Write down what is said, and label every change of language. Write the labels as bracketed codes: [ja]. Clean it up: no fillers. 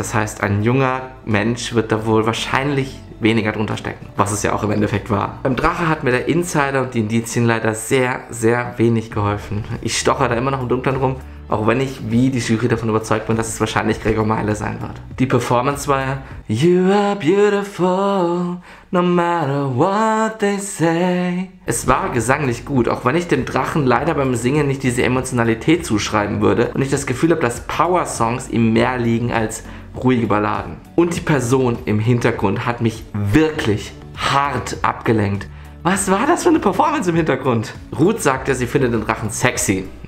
[de] Das heißt, ein junger Mensch wird da wohl wahrscheinlich weniger drunter stecken, was es ja auch im Endeffekt war. Beim Drache hat mir der Insider und die Indizien leider sehr, sehr wenig geholfen. Ich stochere da immer noch im Dunkeln rum, auch wenn ich wie die Jury davon überzeugt bin, dass es wahrscheinlich Gregor Meile sein wird. Die Performance war [en] You are beautiful, no matter what they say. [de] Es war gesanglich gut, auch wenn ich dem Drachen leider beim Singen nicht diese Emotionalität zuschreiben würde und ich das Gefühl habe, dass Power-Songs ihm mehr liegen als ruhige Balladen. Und die Person im Hintergrund hat mich wirklich hart abgelenkt. Was war das für eine Performance im Hintergrund? Ruth sagte, sie findet den Drachen sexy.